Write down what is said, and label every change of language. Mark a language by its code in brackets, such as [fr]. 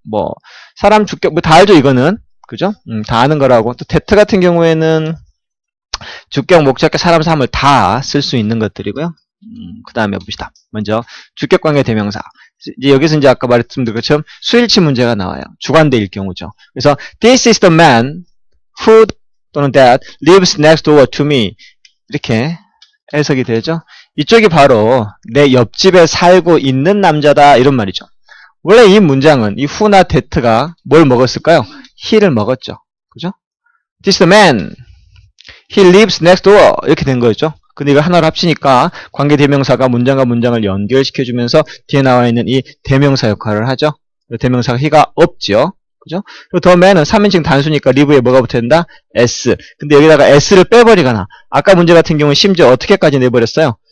[ko] 뭐, 사람 주격, 뭐 다 알죠, 이거는? 그죠? 다 아는 거라고. 또 that 같은 경우에는 주격, 목적격, 사람, 사물 다 쓸 수 있는 것들이고요. 그 다음에 봅시다. 먼저 주격 관계 대명사. 이제 여기서 이제 아까 말했던 것처럼 수일치 문제가 나와요. 주관대일 경우죠. 그래서 [en] this is the man who [ko] 또는 [en] that lives next door to me. [ko] 이렇게 해석이 되죠. 이쪽이 바로 내 옆집에 살고 있는 남자다 이런 말이죠. 원래 이 문장은 이 who나 that가 뭘 먹었을까요? he를 먹었죠. 그죠? [en] this is the man He lives next door. [ko] 이렇게 된 거였죠. 근데 이걸 하나로 합치니까 관계 대명사가 문장과 문장을 연결시켜주면서 뒤에 나와 있는 이 대명사 역할을 하죠. 대명사가 he가 없죠. 그죠? 그리고 the man은 3인칭 단수니까 live에 뭐가 붙어있다? s. 근데 여기다가 s를 빼버리거나 아까 문제 같은 경우는 심지어 어떻게까지 내버렸어요?